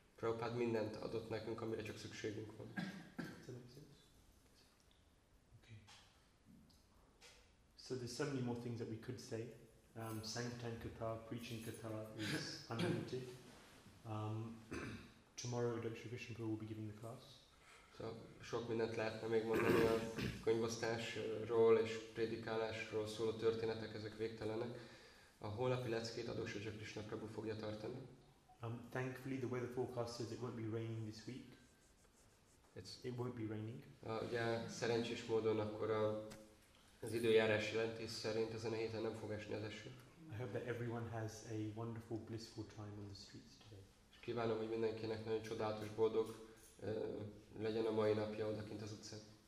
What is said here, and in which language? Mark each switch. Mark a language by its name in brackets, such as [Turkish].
[Hungarian] Prabhupada mindent adott nekünk, amire csak szükségünk van. [English] So there's so many more things that we could say. Sankirtan katha, preaching katha is unlimited. Tomorrow Daksha Vishnupur will be giving the class. [Hungarian] So sok mindent lehetne még mondani a könyvosztásról és prédikálásról szóló történetek, ezek végtelenek. A holnapi leckét Adoksa Jagrishna Prabhu fogja tartani. [English] Thankfully the weather forecast says it won't be raining this week. It won't be raining. [Hungarian] Ugye szerencsés módon akkor az időjárás jelentés szerint ezen a héten nem fog esni az eső. [English] I hope that everyone has a wonderful, blissful time on the streets today. [Hungarian] És kívánom, hogy mindenkinek nagyon csodálatos, boldog legyen a mai napja odakint az utcán.